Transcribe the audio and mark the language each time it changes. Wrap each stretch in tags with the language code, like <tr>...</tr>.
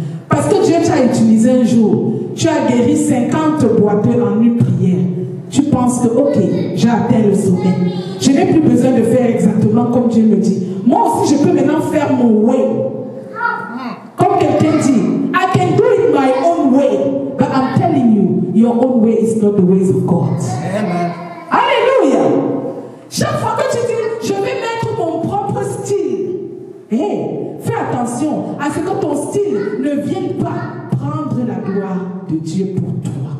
<fr>Parce que Dieu t'a utilisé un jour. Tu as guéri 50 boiteux en une prière. Tu penses que, ok, j'ai atteint le sommet. Je n'ai plus besoin de faire exactement comme Dieu me dit. Moi aussi, je peux maintenant faire mon way. Comme quelqu'un dit,</fr> <en>I can do it my own way. But I'm telling you, your own way is not the ways of God. Amen. Alléluia.</en> <fr>Chaque fois que tu dis, je vais mettre mon propre style. Hey, fais attention à ce que ton style ne vienne pas prendre la gloire de Dieu pour toi.</fr>